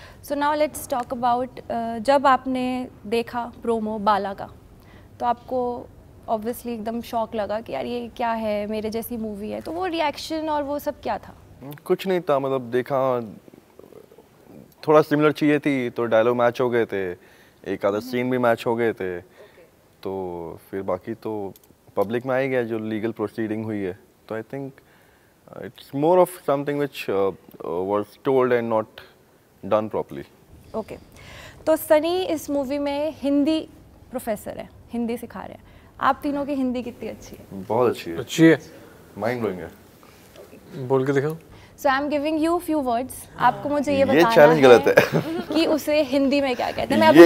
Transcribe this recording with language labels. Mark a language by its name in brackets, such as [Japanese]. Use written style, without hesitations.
[English] So now let's talk about [Hindi] जब आपने देखा प्रोमो बाला का, तो आपको obviously एकदम शॉक लगा कि यार ये क्या है, मेरे जैसी मूवी है, तो वो रिएक्शन और वो सब क्या था? कुछ नहीं था, मतलब देखा, थोड़ा सिमिलर चाहिए थी, तो डायलॉग मैच हो गए थे, एक आधा सीन भी मैच हो गए थे. तो फिर बाकी तो पब्लिक में आ ही गया जो लीगल प्रोसीडिंग हुई है. [English] तो I think it's more of something which was told and not done properly. Okay. [Hindi] तो सनी इस मूवी में हिंदी प्रोफेसर है, हिंदी सिखा रहे हैं. आप तीनों की हिंदी कितनी अच्छी है? बहुत अच्छी है. अच्छी है. माइंड ब्लोइंग है. बोल के दिखाओ. [English] So I'm giving you few words. [Hindi] आपको मुझे ये बताना है. ये चैलेंज गलत है. कि उसे हिंदी में क्या कहते हैं?